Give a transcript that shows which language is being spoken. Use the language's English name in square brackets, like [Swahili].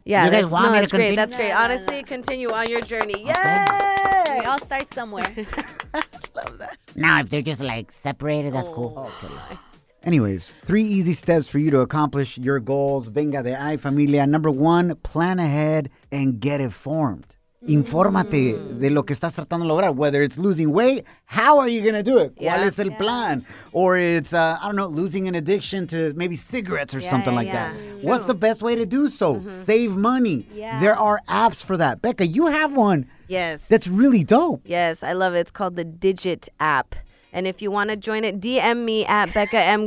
[English] Yeah. You guys want me to continue? Great. That's great. Honestly, continue on your journey. Yay! Okay. We all start somewhere. Love that. Now, if they're just like separated, that's cool. Okay. Anyways, three easy steps for you to accomplish your goals. [Spanish] Venga de ahí, familia. [English] Number one, plan ahead and get informed. [Spanish] Infórmate de lo que estás tratando de lograr. [English] Whether it's losing weight, how are you going to do it? [Spanish] ¿Cuál es el plan? [English] Or it's, I don't know, losing an addiction to maybe cigarettes or something like that. True. What's the best way to do so? Mm-hmm. Save money. Yeah. There are apps for that. Becca, you have one. Yes. That's really dope. Yes, I love it. It's called the Digit app. And if you want to join it, DM me at Becca M.